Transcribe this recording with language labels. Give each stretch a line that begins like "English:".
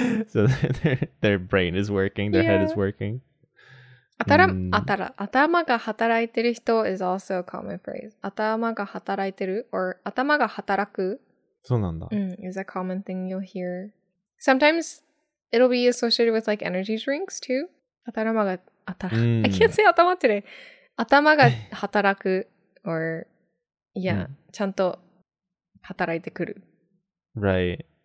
English: So their brain is working, their head is working.
Japanese: 頭が働いてる人
English: is also a common phrase.
Japanese: 頭が働いてる or 頭が働くそうなんだ
English: is a common thing you'll hear. Sometimes it'll be associated with like energy drinks too. I can't say 頭 today.
Japanese: 頭が働く
English: or yeah,
Japanese: ちゃんと働いてくる.
English: Right.